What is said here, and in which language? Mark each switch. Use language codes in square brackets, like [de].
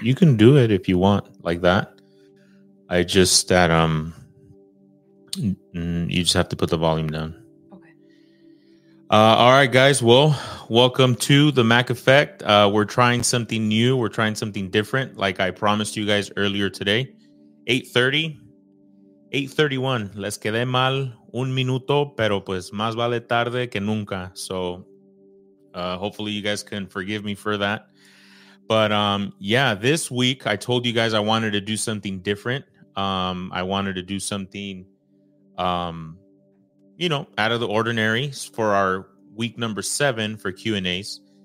[en] You can do it if you want, like that. I just that you just have to put the volume down. All right, guys. Well, welcome to the Mac Effect. We're trying something new. We're trying something different. Like I promised you guys earlier today, 8:30, 8:31. [es] Les quedé mal un minuto, pero pues más vale tarde que nunca. [en] So hopefully you guys can forgive me for that. But yeah, this week I told you guys I wanted to do something different. I wanted to do something you know, out of the ordinary for our week number 7 for Q&As.